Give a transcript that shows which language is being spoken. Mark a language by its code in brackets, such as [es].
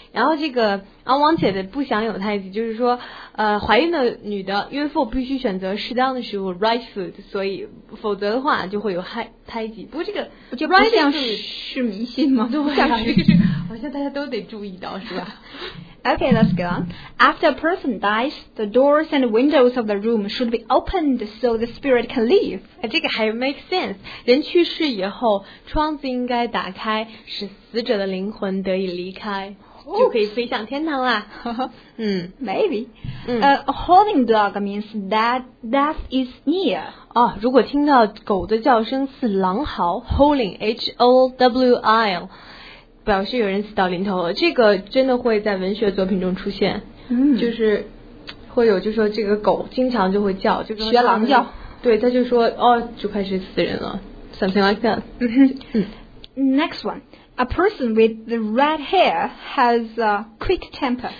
[zh] 然后这个 unwanted 不想有胎记，就是说怀孕的女的孕妇必须选择适当的食物 right food， 所以否则的话就会有胎记。不过这个就不像是迷信吗？对，不像是。好像大家都得注意到是吧 [en] Okay, let's go on. After a person dies, the doors and windows of the room should be opened so the spirit can leave. [zh] 这个还 [en] make sense. [zh] 人去世以后窗子应该打开使死者的灵魂得以离开。就可以飞向天堂啦。 [en] Maybe. A homing dog means that death is near. [zh] 哦，如果听到狗的叫声似狼嚎 ,howling, H-O-W-I-L, 表示有人死到临头了。这个真的会在文学作品中出现。就是会有就说这个狗经常就会叫，就学狼叫。对，他就说哦，就开始死人了。 [en] Something like that. Next one. A person with the red hair has a quick temper.